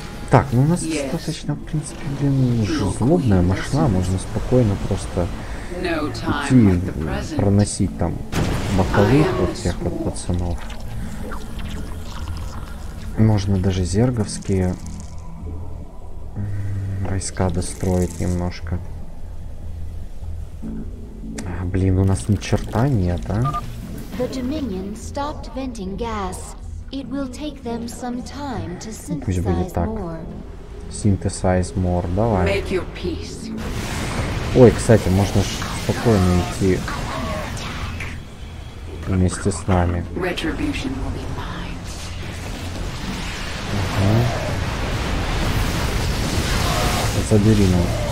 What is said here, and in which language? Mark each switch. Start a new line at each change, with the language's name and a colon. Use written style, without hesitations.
Russian: Так, ну у нас достаточно, в принципе, блин, злобная машина, можно спокойно просто идти, проносить там боковых вот тех вот пацанов. Можно даже зерговские войска достроить немножко. А, блин, у нас ни черта нет, а?
English: The Dominion stopped venting gas. It will take them some time to synthesize more. Synthesize more,
Russian: давай.
English: Make your peace.
Russian: Ой, кстати, можно ж спокойно идти вместе с нами.
English: Retribution will be mine.
Russian: Угу. Забери нам.